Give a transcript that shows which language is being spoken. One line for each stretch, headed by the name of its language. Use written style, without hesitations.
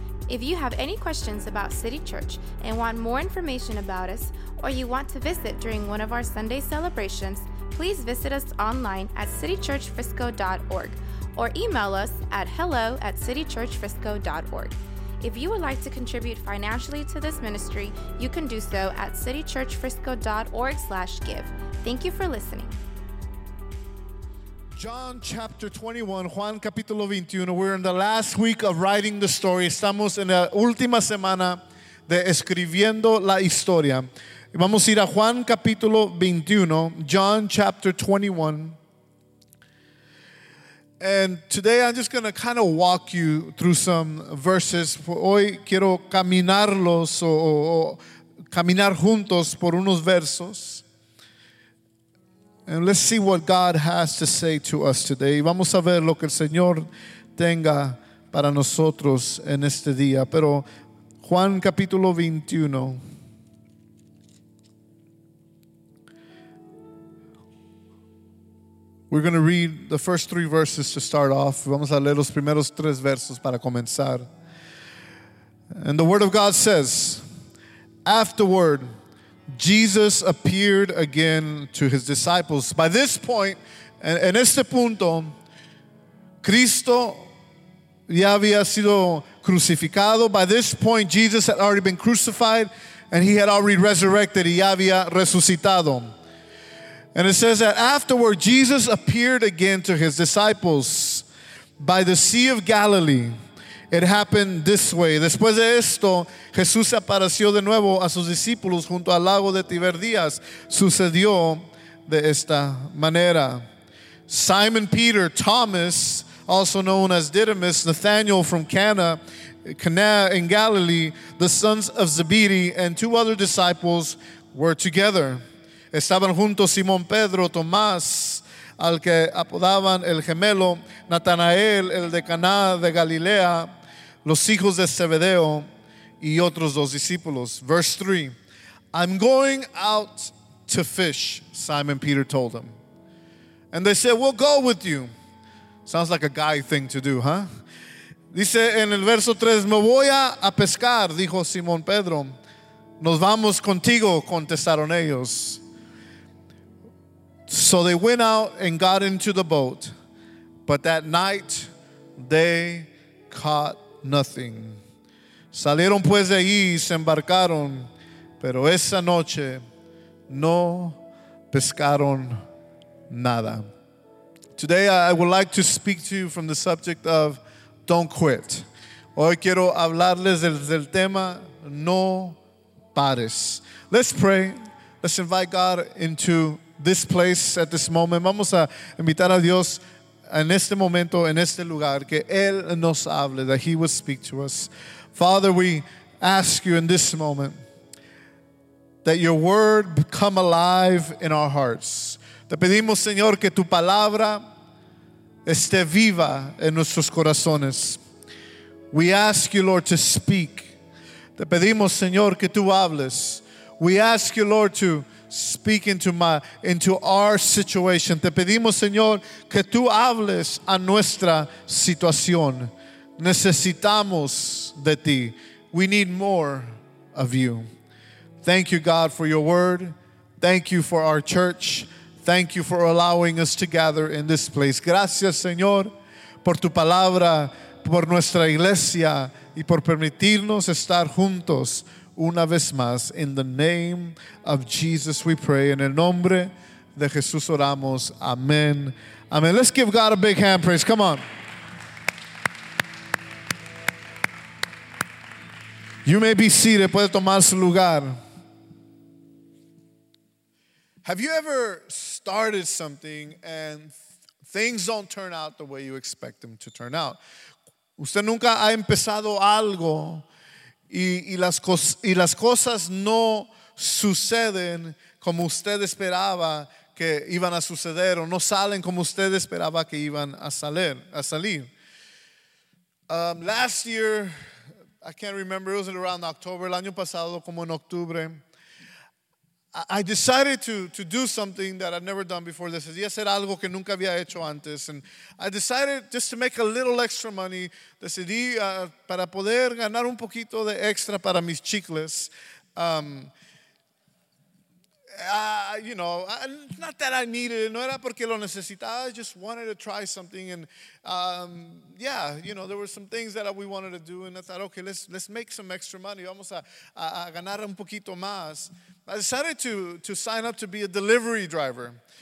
English: If you have any questions about City Church and want more information about us, or you want to visit during one of our Sunday celebrations, please visit us online at citychurchfrisco.org or email us at hello@citychurchfrisco.org. If you would like to contribute financially to this ministry, you can do so at citychurchfrisco.org/give. Thank you for listening. John chapter 21,
Spanish: Juan capítulo 21.
English: We're in the last week of writing the story.
Spanish: Estamos en la última semana de escribiendo la historia. Vamos a ir a Juan capítulo 21,
English: John chapter 21. And today I'm just going to kind of walk you through some verses.
Spanish: Hoy quiero caminarlos o caminar juntos por unos versos.
English: And let's see what God has to say to us today.
Spanish: Vamos a ver lo que el Señor tenga para nosotros en este día. Pero Juan capítulo 21.
English: We're going to read the first three verses to start off.
Spanish: Vamos a leer los primeros tres versos para comenzar.
English: And the word of God says, afterward, Jesus appeared again to his disciples. By this point,
Spanish: en este punto, Cristo ya había sido crucificado.
English: By this point, Jesus had already been crucified and he had already resurrected.
Spanish: Y ya había resucitado.
English: And it says that afterward, Jesus appeared again to his disciples by the Sea of Galilee. It happened this way.
Spanish: Después de esto, Jesús se apareció de nuevo a sus discípulos junto al lago de Tiberías. Sucedió de esta manera.
English: Simon Peter, Thomas, also known as Didymus, Nathanael from Cana in Galilee, the sons of Zebedee, and two other disciples were together.
Spanish: Estaban juntos Simón Pedro, Tomás, al que apodaban el gemelo, Natanael, el de Caná de Galilea, los hijos de Zebedeo, y otros dos discípulos.
English: Verse 3, I'm going out to fish, Simon Peter told them. And they said, we'll go with you. Sounds like a guy thing to do, huh?
Spanish: Dice en el verso 3, me voy a pescar, dijo Simón Pedro. Nos vamos contigo, contestaron ellos.
English: So they went out and got into the boat, but that night they caught nothing.
Spanish: Salieron pues de ahí y se embarcaron, pero esa noche no pescaron nada.
English: Today I would like to speak to you from the subject of don't quit.
Spanish: Hoy quiero hablarles del tema no pares.
English: Let's pray. Let's invite God into this place at this moment.
Spanish: Vamos a invitar a Dios en este momento, en este lugar, que Él nos hable,
English: that He would speak to us. Father, we ask you in this moment that your word come alive in our hearts.
Spanish: Te pedimos, Señor, que tu palabra esté viva en nuestros corazones.
English: We ask you, Lord, to speak.
Spanish: Te pedimos, Señor, que tu hables.
English: We ask you, Lord, to speak into our situation.
Spanish: Te pedimos, Señor, que tú hables a nuestra situación. Necesitamos de ti.
English: We need more of you. Thank you, God, for your word. Thank you for our church. Thank you for allowing us to gather in this place.
Spanish: Gracias, Señor, por tu palabra, por nuestra iglesia, y por permitirnos estar juntos. Una vez más,
English: in the name of Jesus we pray.
Spanish: En el nombre de Jesús oramos. Amen. Amen.
English: Let's give God a big hand praise. Come on. You may be seated.
Spanish: Puede tomar su lugar.
English: Have you ever started something and things don't turn out the way you expect them to turn out?
Spanish: ¿Usted nunca ha empezado algo y las cosas no suceden como usted esperaba que iban a suceder o no salen como usted esperaba que iban a salir?
English: Last year, I can't remember. It was around October.
Spanish: El año pasado, como en octubre.
English: I decided to do something that I'd never done before. This is
Spanish: hacer algo que nunca había hecho antes.
English: And I decided just to make a little extra money.
Spanish: Decidí para poder ganar un poquito de extra para mis chicles.
English: You know, not that I needed it.
Spanish: No era porque lo necesitaba.
English: I just wanted to try something. And yeah, you know, there were some things that we wanted to do. And I thought, okay, let's make some extra money.
Spanish: Vamos a ganar un poquito más.
English: I decided to sign up to be a delivery driver.